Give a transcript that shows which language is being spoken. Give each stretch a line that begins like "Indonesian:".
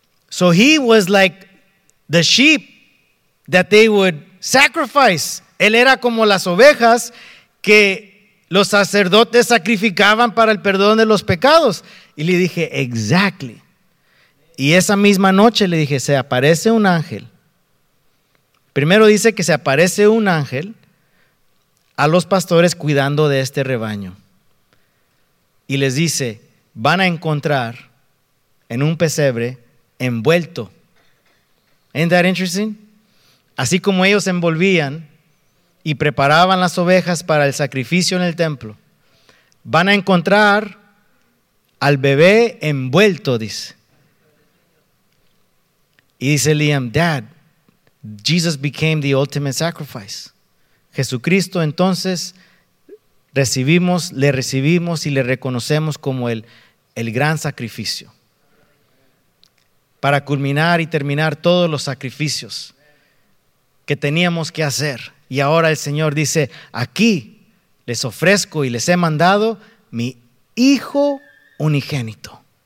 English: So he was like the sheep that they would sacrifice.
Spanish: Él era como las ovejas que los sacerdotes sacrificaban para el perdón de los pecados. Y le dije, exactly. Y esa misma noche le dije, se aparece un ángel. Primero dice que se aparece un ángel a los pastores cuidando de este rebaño. Y les dice, van a encontrar en un pesebre envuelto.
English: Isn't that interesting?
Spanish: Así como ellos envolvían y preparaban las ovejas para el sacrificio en el templo, van a encontrar al bebé envuelto, dice. Y dice
English: Liam, Dad, Jesus became the ultimate sacrifice.
Spanish: Jesucristo, entonces, le recibimos y le reconocemos como el gran sacrificio. Para culminar y terminar todos los sacrificios que teníamos que hacer. Y ahora el Señor dice, aquí les ofrezco y les he mandado mi Hijo unigénito.